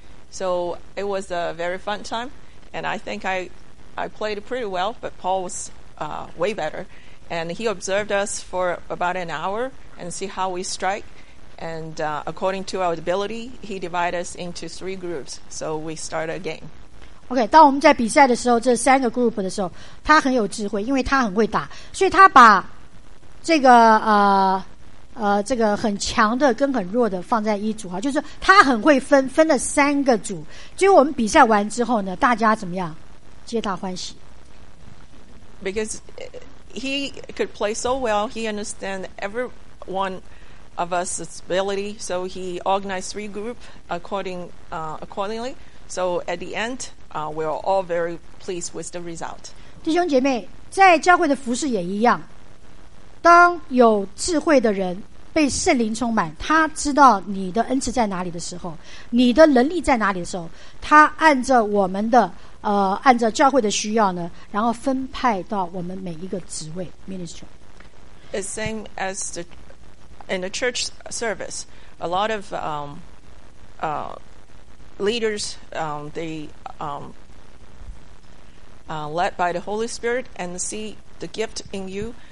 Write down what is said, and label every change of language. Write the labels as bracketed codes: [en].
[en] So it was a very fun time, and I think I played pretty well, but Paul was way better. And he observed us for about an hour and see how we strike. And according to our ability, he divided us into three groups. So we started a game. [zh] Okay, 当我们在比赛的时候，这三个 group 的时候，他很有智慧，因为他很会打，所以他把这个这个很强的跟很弱的放在一组哈，就是他很会分了三个组。结果我们比赛完之后呢，大家怎么样？皆大欢喜。 [en] Because he could play so well, he understand everyone. Of us ability, so he organized three groups accordingly. So at the end, we are all very pleased with the result. [zh] 弟兄姐妹，在教会的服事也一样。当有智慧的人被圣灵充满，他知道你的恩赐在哪里的时候，你的能力在哪里的时候，他按照我们的按照教会的需要呢，然后分派到我们每一个职位 ministry. [en] It's same as the. In the church service, a lot of leaders, they led by the Holy Spirit and see the gift in you.